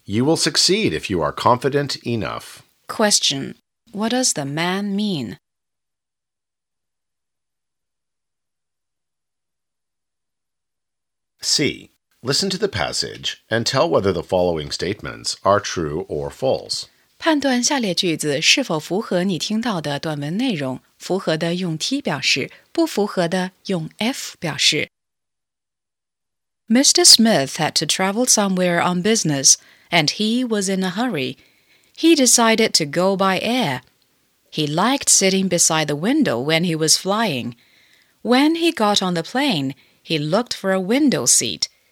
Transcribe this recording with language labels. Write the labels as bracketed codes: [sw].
[en] You will succeed if you are confident enough. Question: What does the man mean? listen to the passage and tell whether the following statements are true or false. [zh] 判断下列句子是否符合你听到的短文内容，符合的用 T 表示，不符合的用 F 表示。 [en] Mr. Smith had to travel somewhere on business, and he was in a hurry. He decided to go by air. He liked sitting beside the window when he was flying. When he got on the plane, he looked for a window seat.